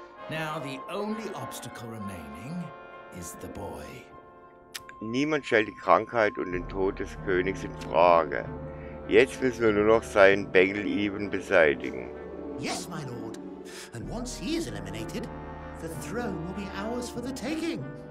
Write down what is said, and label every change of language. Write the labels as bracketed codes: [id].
[en] Now the only obstacle remaining is the boy. [de] Niemand stellt die Krankheit und den Tod des Königs in Frage. Jetzt müssen wir nur noch seinen Bengel eben beseitigen. [en] Yes, my lord. And once he is eliminated, the throne will be ours for the taking.